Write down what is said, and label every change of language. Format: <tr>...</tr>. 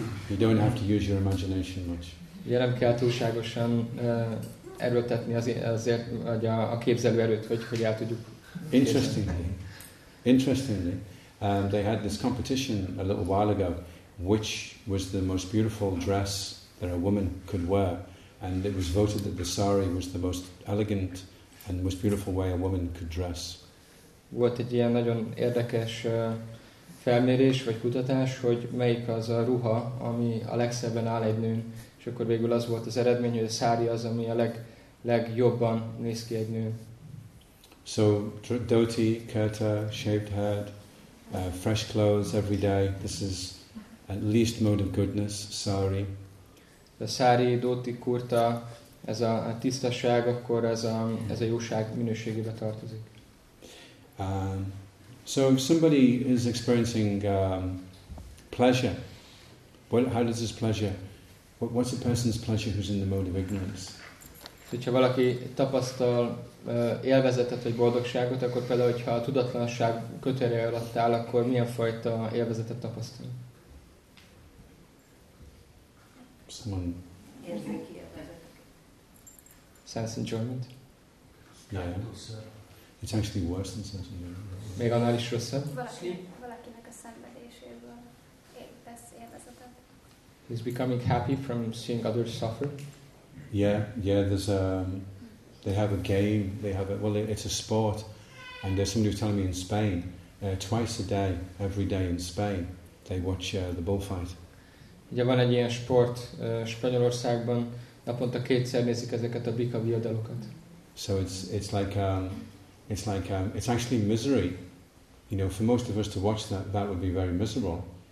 <en>You don't have to use your imagination much.</en> <hu>Ugye nem kell túlságosan erőltetni azért, hogy a képzelő erőt, hogy el tudjuk.</hu> <en>Interestingly. They had this competition a little while ago, which was the most beautiful dress that a woman could wear, and it was voted that the sari was the most elegant and most beautiful way a woman could dress.</en> <hu>Volt egy ilyen nagyon érdekes felmérés vagy kutatás, hogy melyik az a ruha, ami a legszebben áll egy nőn, és akkor végül az volt az eredmény, hogy a sari az, ami a legjobban néz ki egy nőn.</hu> <en>So, dhoti, kurta, shaved head, fresh clothes every day. This is at least mode of goodness. Sari.</en> <hu>A sari, dhoti, kurta, ez a tisztaság, akkor ez a jóság minőségébe tartozik.</hu> <en>So if somebody is experiencing pleasure, What, how does this pleasure? What, what's a person's pleasure who's in the mode of ignorance?</en> <hu>Hogyha valaki tapasztal élvezetet vagy boldogságot, akkor például, hogyha a tudatlanság kötője alatt áll, akkor milyen fajta élvezetet tapasztal?</hu> <en>Someone.</en> <hu>Érzéki élvezet.</hu> <en>Sense enjoyment. Yeah. It's actually worse than sense enjoyment.</en> <hu>Még annál is rosszabb. Valakinek a szenvedéséből élvezetet.</hu> <en>He's becoming happy from seeing others suffer. Yeah, yeah. There's a. They have a game. They have a. Well, it's a sport. And somebody was telling me in Spain, twice a day, every day in Spain, they watch the bullfight.</en> <hu>Ugye van egy ilyen sport Spanyolországban, naponta kétszer nézik ezeket a bika viadalokat.</hu> <en>So it's like it's like it's actually misery. You know, for most of us to watch that, that would be very miserable.</en>